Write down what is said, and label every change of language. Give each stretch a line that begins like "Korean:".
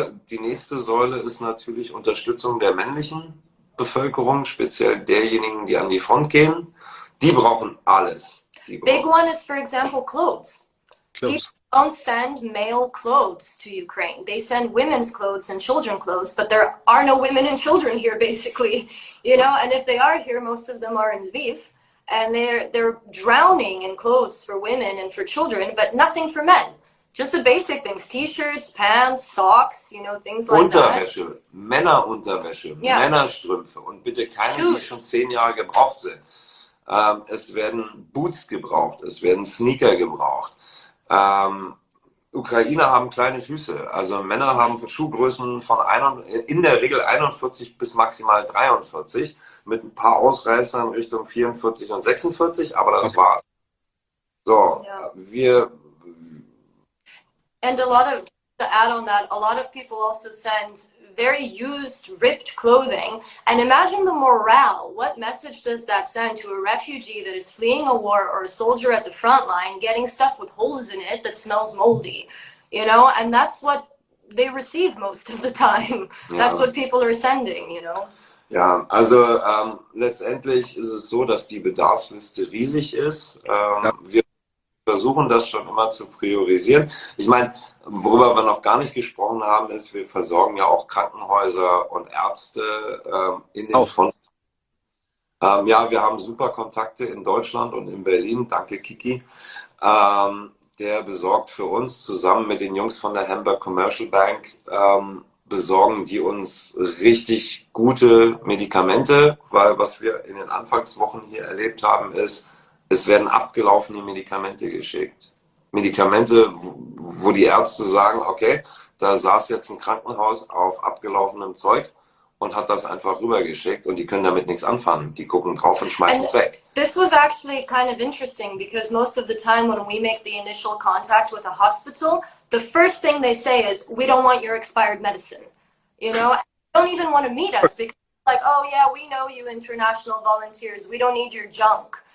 German: Die nächste Säule ist natürlich Unterstützung der männlichen Bevölkerung, speziell derjenigen, die an die Front gehen. Die brauchen alles.
English: Big one is, for example, clothes. People don't send male clothes to Ukraine. They send women's clothes and children clothes, but there are no women and children here, basically. You know, and if they are here, most of them are in Lviv. And they're drowning in clothes for women and for children, but nothing for men. Just the basic things, t-shirts, pants, socks, you know, things like
German: Unterwäsche, Männerunterwäsche, yeah. Männerstrümpfe und bitte keine, Shoes. Die schon 10 Jahre gebraucht sind. Es werden Boots gebraucht, es werden Sneaker gebraucht. Ukrainer haben kleine Füße, also Männer haben Schuhgrößen von in der Regel 41 bis maximal 43, mit ein paar Ausreißern Richtung 44 und 46, aber das war's. So, yeah.
English: And a lot of, to add on that, a lot of people also send very used, ripped clothing. And imagine the morale. What message does that send to a refugee that is fleeing a war or a soldier at the front line getting stuff with holes in it that smells moldy? You know, and that's what they receive most of the time. That's what people are sending, you know.
German: Ja, also letztendlich ist es so, dass die Bedarfsliste riesig ist. Wir versuchen das schon immer zu priorisieren. Ich meine, worüber wir noch gar nicht gesprochen haben, ist, wir versorgen ja auch Krankenhäuser und Ärzte in den Front. Ja, wir haben super Kontakte in Deutschland und in Berlin. Danke, Kiki. Der besorgt für uns zusammen mit den Jungs von der Hamburg Commercial Bank, besorgen die uns richtig gute Medikamente, weil was wir in den Anfangswochen hier erlebt haben, ist, es werden abgelaufene Medikamente geschickt. Medikamente, wo die Ärzte sagen, okay, da saß jetzt ein Krankenhaus auf abgelaufenem Zeug und hat das einfach rübergeschickt und die können damit nichts anfangen. Die gucken drauf und schmeißen es weg.
English: This was actually kind of interesting because most of the time when we make the initial contact with a hospital, the first thing they say is, we don't want your expired medicine. You know, they don't even want to meet us because like, oh yeah, we know you international volunteers, we don't need your junk.